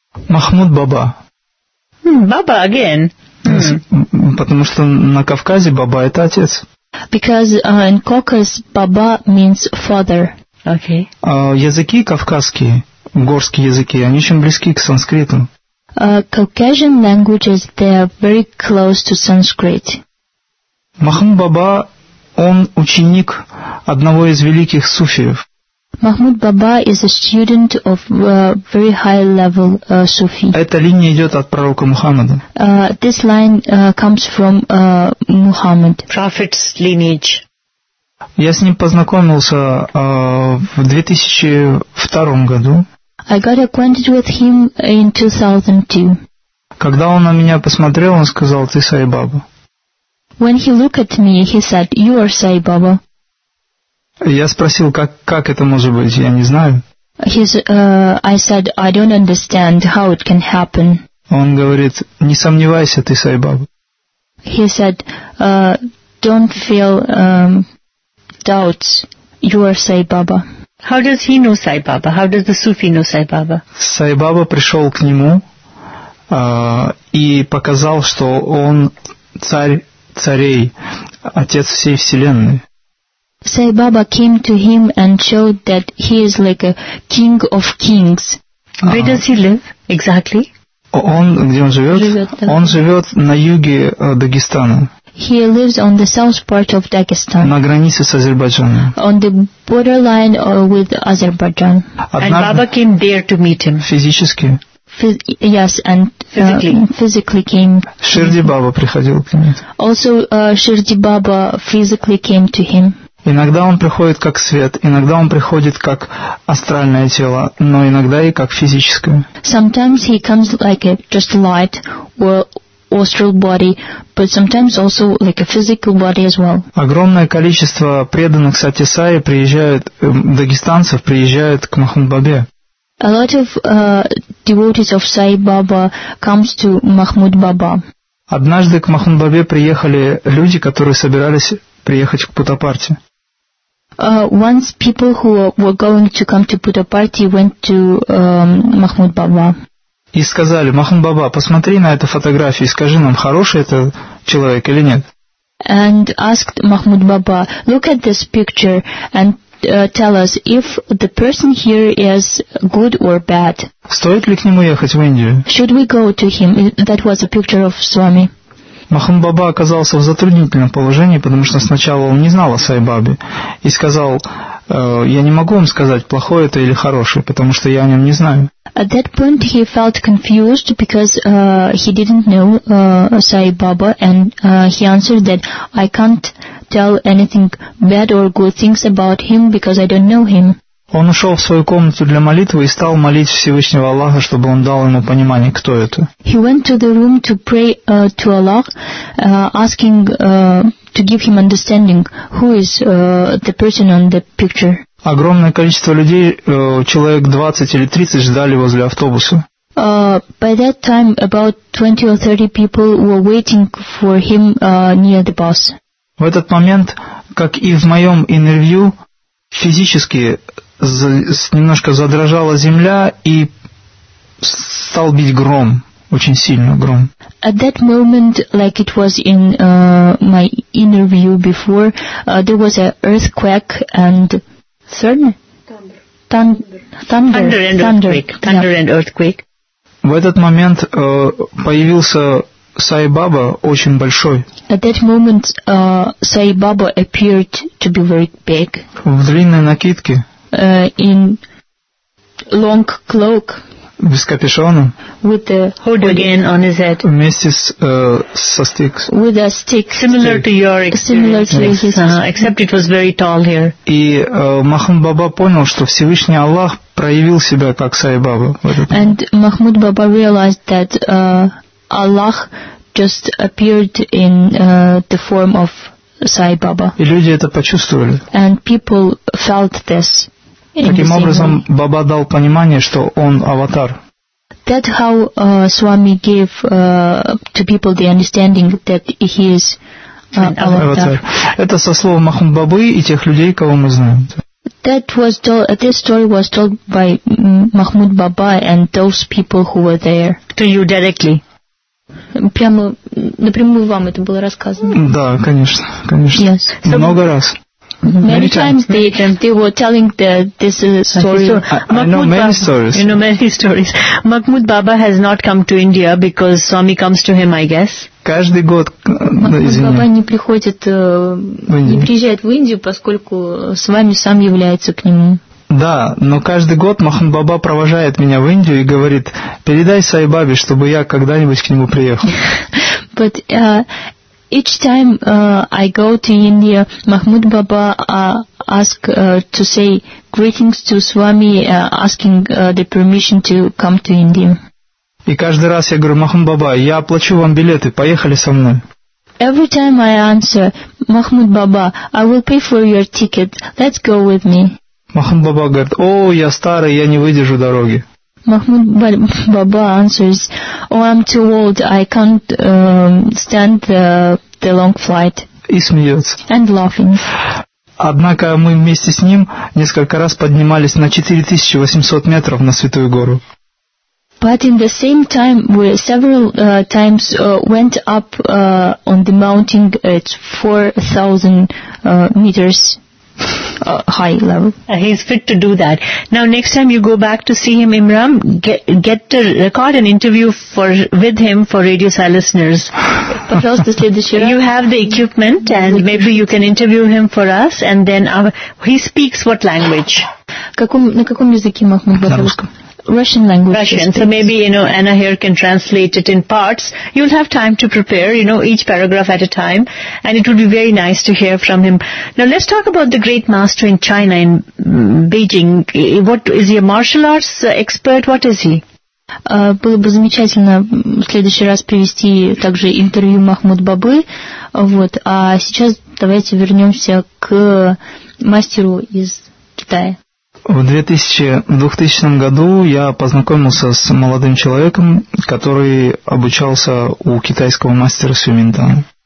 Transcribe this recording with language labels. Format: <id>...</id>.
<ru>Махмуд Баба.</ru> <en>Баба again. Yes. Mm.</en> <ru>Потому что на Кавказе Баба это отец.</ru> <en>Because in Caucasus, Baba means father. Okay.</en> <ru>Языки кавказские, горские языки, они очень близки к санскриту.</ru> <en>Caucasian languages, they are very close to Sanskrit.</en> <ru>Махмуд Баба, он ученик одного из великих суфиев.</ru> <en>Махмуд Баба is a student of very high level Sufi.</en> <ru>Эта линия идет от пророка Мухаммада.</ru> <en>This line comes from Muhammad. Prophet's lineage.</en> <ru>Я с ним познакомился в 2002 году.</ru> <en>I got acquainted with him in 2002.</en> <ru>Когда он на меня посмотрел, он сказал: «Ты Саи Баба».</ru> <en>When he looked at me, he said, "You are Саи Баба."</en> <ru>Я спросил, как это может быть, я не знаю.</ru> <en>I said, I don't understand how it can happen.</en> <ru>Он говорит, не сомневайся, ты Саи Баба.</ru> <en>He said, don't feel doubts. You are Sai Baba. How does he know Sai Baba? How does the Sufi know Sai Baba?</en> <ru>Sai Baba пришел к нему и показал, что он царь царей, отец всей вселенной.</ru> <en>Sai Baba came to him and showed that he is like a king of kings. Where does he live exactly?</en> <ru>Он, где он живет? Он живет на юге Дагестана.</ru> <en>He lives on the south part of Dagestan.</en> <ru>На границе с Азербайджаном.</ru> <en>On the borderline with Azerbaijan. And Baba came there to meet him.</en> <ru>Физически?</ru> <en>Yes, and physically came.</en> <ru>Ширди Баба приходил к нему.</ru> <en>Also, Ширди Баба physically came to him.</en> <ru>Иногда он приходит как свет, иногда он приходит как астральное тело, но иногда и как физическое.</ru> <en>Sometimes he comes like a just light or astral body, but sometimes also like a physical body as well.</en> <ru>Огромное количество преданных Сати Саи приезжают, дагестанцев приезжают к Махмуд-Бабе.</ru> <en>A lot of devotees of Sai Baba comes to Mahmud Baba.</en> <ru>Однажды к Махмуд-Бабе приехали люди, которые собирались приехать к Путапарте.</ru> <en>Once people who were going to come to Puttaparthi went to Mahmud Baba.</en> <ru>И сказали: Махмуд Баба, посмотри на эту фотографию и скажи нам, хороший это человек или нет.</ru> <en>And asked Mahmud Baba, look at this picture and tell us if the person here is good or bad.</en> <ru>Стоит ли к нему ехать в Индию?</ru> <en>Should we go to him? That was a picture of Swami.</en> <ru>Махмуд Баба оказался в затруднительном положении, потому что сначала он не знал о Сай Бабе и сказал: я не могу вам сказать, плохой это или хороший, потому что я о нем не знаю.</ru> <en>At that point he felt confused because he didn't know Sai Baba, and he answered that I can't tell anything bad or good things about him because I don't know him.</en> <ru>Он ушел в свою комнату для молитвы и стал молить Всевышнего Аллаха, чтобы он дал ему понимание, кто это.</ru> <en>He went to the room to pray to Allah, asking to give him understanding who is the person on the picture.</en> <ru>Огромное количество людей, человек 20 или 30, ждали возле автобуса.</ru> <en>By that time, about 20 or 30 people were waiting for him near the bus.</en> <ru>В этот момент, как и в моем интервью, физически немножко задрожала земля и стал бить гром, очень сильный гром.</ru> <en>At that moment, like it was in my interview before, there was an earthquake and thunder and earthquake.</en> <ru>В этот момент появился Сай Баба, очень большой.</ru> <en>At that moment, Sai Baba appeared to be very big.</en> <ru>В длинной накидке.</ru> <en>In long cloak.</en> <ru>Без капюшона.</ru> <en>With the hood again on his head.</en> <ru>Вместе с со стикс.</ru> <en>With a stick. Similar to your experience. Similar to his. Except it was very tall here.</en> <ru>И Махмуд Баба понял, что Всевышний Аллах проявил себя как Сай Баба.</ru> <en>And Mahmud Baba realized that Allah just appeared in the form of Sai Baba.</en> <ru>И люди это почувствовали.</ru> <en>And people felt this.</en> <ru>Таким образом, Баба дал понимание, что он аватар.</ru> <en>That how Swami gave to people the understanding that he is аватар.</en> <ru>Это со слов Махмуд Бабы и тех людей, кого мы знаем.</ru> <en>This story was told by Mahmud Baba and those people who were there. To you directly.</en> <ru>Прямо напрямую вам это было рассказано. Да, конечно, конечно.</ru> <en>Yes.</en> <ru>Много раз.</ru> <en>Many times they were telling this story. I know many stories. Mahmud Baba has not come to India because Swami comes to him, I guess.</en> <ru>Каждый год, извините. Махмуд Баба не приходит, не приезжает в Индию, поскольку Свами сам является к нему. Да, но каждый год Махмуд Баба провожает меня в Индию и говорит: передай Сай Бабе, чтобы я когда-нибудь к нему приехал.</ru> <en>But each time I go to India, Mahmud Baba ask to say greetings to Swami, asking the permission to come to India.</en> <ru>И каждый раз я говорю: Махмуд Баба, я оплачу вам билеты, поехали со мной.</ru> <en>Every time I answer, Mahmud Baba, I will pay for your ticket, let's go with me.</en> <ru>Махмуд Баба говорит: о, я старый, я не выдержу дороги.</ru> <en>Махмуд Баба answers: oh, I'm too old, I can't stand the long flight.</en> <ru>и смеется.</ru> <en>And laughing.</en> <ru>Однако мы вместе с ним несколько раз поднимались на 4800 метров на Святую Гору.</ru> <en>But in the same time, we several times went up on the mountain at 4,000 meters high level. He's fit to do that. Now, next time you go back to see him, Imran, get to record an interview with him for Radio Sai listeners. You have the equipment, and maybe you can interview him for us, and then he speaks what language?</en> <ru>На каком языке Махмуд Батырович?</ru> <en>Russian language. Russian. So maybe, you know, Anna here can translate it in parts. You'll have time to prepare, you know, each paragraph at a time. And it would be very nice to hear from him. Now let's talk about the great master in China, in Beijing. What is he, a martial arts expert? What is he?</en> <ru>Было бы замечательно в следующий раз привести также интервью Махмуд Бабы. Вот. А сейчас давайте вернемся к мастеру из Китая. В 2000 году я познакомился с молодым человеком, который обучался у китайского мастера Сюминтана.</ru>